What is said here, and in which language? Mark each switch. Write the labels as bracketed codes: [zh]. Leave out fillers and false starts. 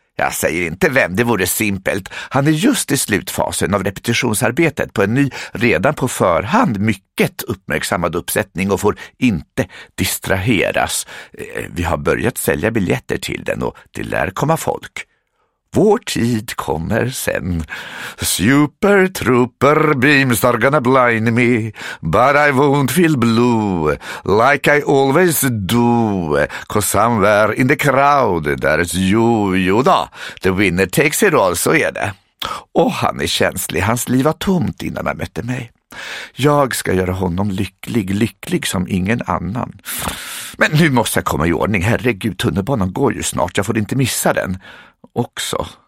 [sv] Jag säger inte vem, det vore simpelt. Han är just i slutfasen av repetitionsarbetet på en ny, redan på förhand, mycket uppmärksammad uppsättning och får inte distraheras. Vi har börjat sälja biljetter till den och det lär komma folk. Vår tid kommer sen. [en] Super trooper beams are gonna blind me, but I won't feel blue, like I always do, 'cause somewhere in the crowd there's you. [sv] Jo då, [en] the winner takes it all, [sv] så är det. Och han är känslig, hans liv var tomt innan han mötte mig. Jag ska göra honom lycklig, lycklig som ingen annan. Men nu måste jag komma i ordning, herregud, tunnelbanan går ju snart, jag får inte missa den. Också.